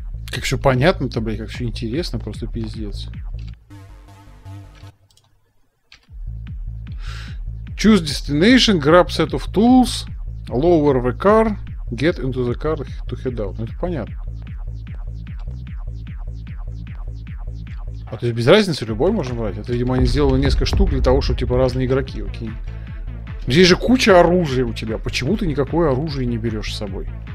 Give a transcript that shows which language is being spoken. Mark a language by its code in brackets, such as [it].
[ru] Как все понятно-то, блядь, как все интересно, просто пиздец. [en] Choose destination, grab set of tools, lower the car, get into the car to head out. [ru] Ну, это понятно. А то есть без разницы, любой можно брать. Это, видимо, они сделали несколько штук для того, чтобы, типа, разные игроки, окей. Здесь же куча оружия у тебя. Почему ты никакое оружие не берешь с собой?